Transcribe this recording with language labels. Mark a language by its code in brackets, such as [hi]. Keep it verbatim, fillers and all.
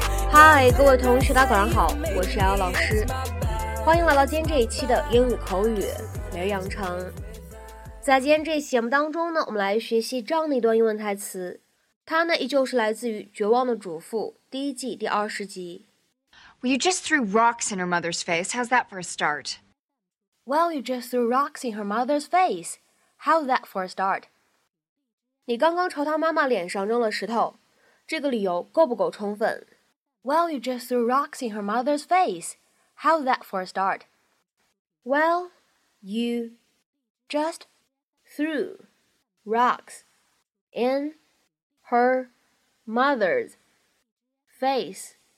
[zh] 嗨，各位同学，大家早上好，我是瑶瑶老师，欢迎来到今天这一期的英语口语每日养成。在今天这一期节目当中呢，我们来学习这样的一段英文台词，它呢依旧是来自于《绝望的主妇》第一季第二十集。 [en] Well, you just threw rocks in her mother's face. How's that for a start? Well, you just threw rocks in her mother's face. How's that for a start? [zh] 你刚刚朝她妈妈脸上扔了石头，这个理由够不够充分？ [en] Well, you just threw rocks in her mother's face. How's that for a start? Well, you just threw rocks in her mother's face.